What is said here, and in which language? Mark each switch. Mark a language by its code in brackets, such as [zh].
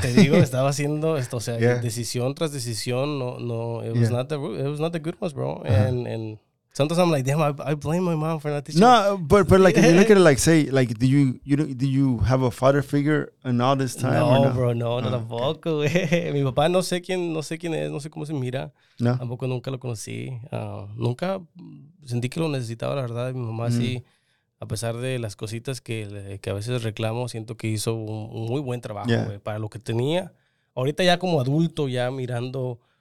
[es] Te digo, estaba haciendo esto. O sea, decisión tras decisión. [en] No, it was not the good ones, bro. Uh-huh. And sometimes I'm like, damn, I blame my mom for not teaching. No, but like, if you look at it, like, say, like, do you have a father figure in all this time? [es] No, bro, no, oh, no tampoco. Okay. Mi papá no sé quién es, no sé cómo se mira. No. Tampoco nunca lo conocí. Nunca sentí que lo necesitaba, la verdad. Mi mamá sí, a pesar de las cositas que a veces reclamo, siento que hizo un muy buen trabajo, güey, para lo que tenía. Ahorita ya como adulto, ya mirando